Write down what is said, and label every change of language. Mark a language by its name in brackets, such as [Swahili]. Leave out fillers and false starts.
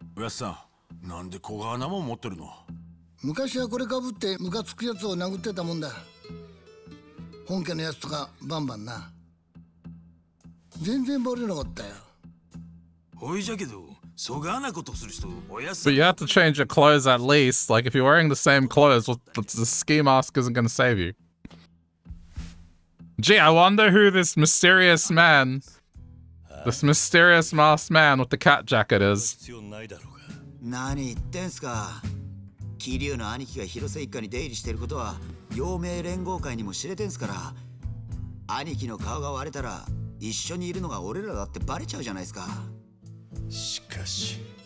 [Japanese] おやさん、なんで小川なもん持ってるの？昔はこれかぶってムカつくやつを殴ってたもんだ。本家のやつとかバンバンな。全然バレなかったよ。おいじゃけど、そがなことする人、おやさん。 [English] But you have to change your clothes at least. Like, if you're wearing the same clothes, the ski mask isn't gonna save you. Gee, I wonder who this mysterious man, this mysterious masked man with the cat jacket is. [Japanese] 何言ってんすか？キリュウの兄貴が広瀬一家に出入りしてることは陽明連合会にも知れてんすから。兄貴の顔が割れたら一緒にいるのが俺らだってバレちゃうじゃないですか。しかし、